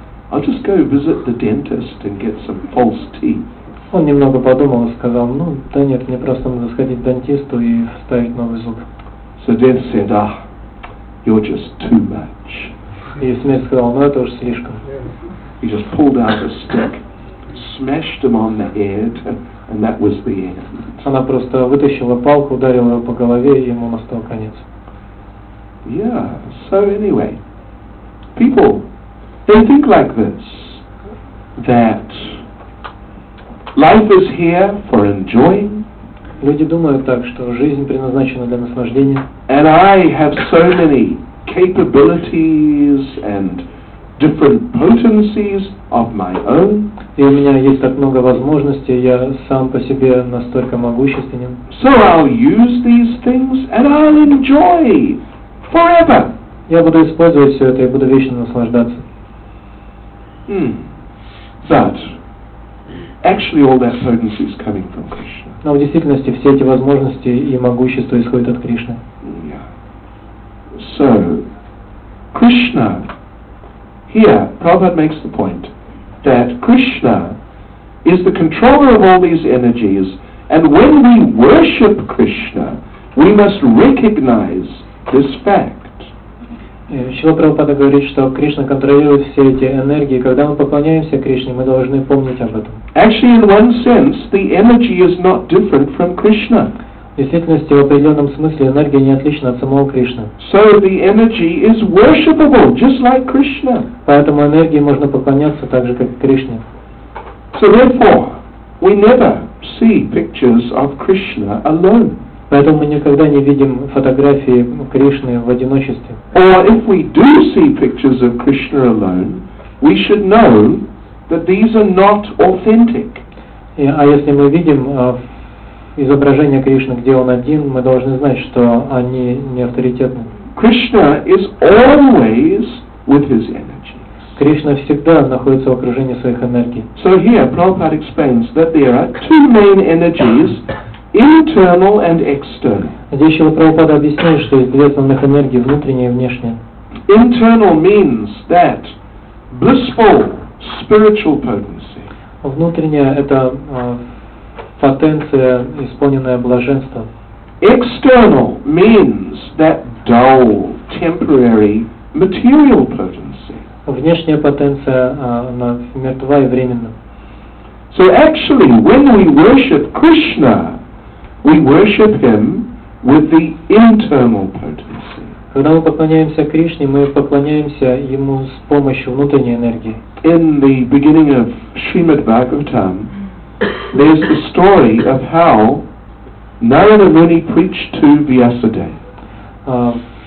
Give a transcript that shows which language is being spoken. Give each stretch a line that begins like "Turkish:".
English: I'll just go visit the dentist and get some false teeth.
Russian: Он немного подумал и сказал, ну, да нет, мне просто надо сходить к дантисту и вставить новый зуб.
English: So dentist said, ah, you're just too much.
Russian: И смерть сказал, ну, это уж слишком.
English: He just pulled out a stick, smashed him on the head, and that was the end.
Russian: Она просто вытащила палку, ударила его по голове, и ему настал конец.
English: Yeah, so anyway, people... They think like this, that life is here for enjoying.
Russian: Люди думают так, что жизнь предназначена для наслаждения.
English: And I have so many capabilities and different potencies of my own.
Russian: И у меня есть так много возможностей, я сам по себе настолько могущественен.
English: So I'll use these things and I'll enjoy forever.
Russian: Я буду использовать все это и буду вечно наслаждаться.
English: But actually, all that potency is coming from Krishna.
Russian: Но в действительности все эти возможности и могущество исходят от Кришны.
English: Yeah. So Krishna. Here, Prabhupada makes the point that Krishna is the controller of all these energies, and when we worship Krishna, we must recognize this fact.
Russian: Шрила Прабхупада говорит, что Кришна контролирует все эти энергии. Когда мы поклоняемся Кришне, мы должны помнить об этом.
English: Actually, in one sense, the energy is not different from Krishna.
Russian: В действительности, в определенном смысле, энергия не отлична от самого Кришны.
English: So the energy is worshipable, just like Krishna.
Russian: Поэтому энергии можно поклоняться так же, как Кришне.
English: So therefore, we never see pictures of Krishna alone.
Russian: Поэтому мы никогда не видим фотографии Кришны в одиночестве.
English: Or if we do see pictures of Krishna alone, we should know that these are not authentic.
Russian: А если мы видим изображение Кришны, где он один, мы должны знать, что они не авторитетны.
English: Krishna is always with his energy.
Russian: Кришна всегда находится в окружении своих энергий.
English: So here Prabhupada explains that there are two main energies. Internal and external.
Russian: Здесь Шрила Прабхупада объясняет, что есть две основных энергии, внутренняя и внешняя.
English: Internal means that blissful spiritual potency.
Russian: Внутренняя — это потенция, исполненная блаженством.
English: External means that dull, temporary material potency.
Russian: Внешняя потенция, она мертва и временна.
English: So actually, when we worship Krishna, we worship him with the internal potency.
Russian: Когда мы поклоняемся Кришне, мы поклоняемся ему с помощью внутренней энергии.
English: In the beginning of Srimad Bhagavatam, there's the story of how Narada Muni preached to Vyasadeva.